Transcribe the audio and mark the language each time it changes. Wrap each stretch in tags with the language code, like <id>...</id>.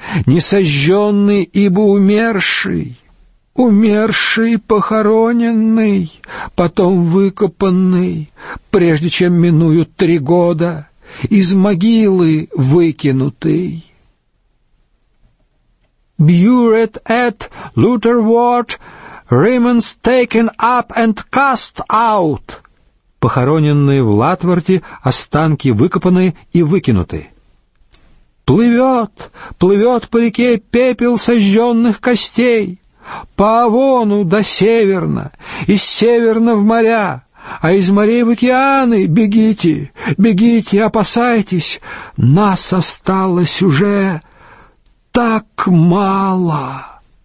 <ru>Несожженный, ибо умерший. Умерший, похороненный, потом выкопанный, прежде чем минуют 3 года, из могилы выкинутый.</ru> <en>Buried at Lutterworth, remains taken up and cast out.</en> <ru>Похороненные в Латворте, останки выкопаны и выкинуты. Плывет, плывет по реке пепел сожженных костей. По Авону до Северна, из Северна в моря, а из морей в океаны бегите, бегите, опасайтесь, нас осталось уже так мало.</ru>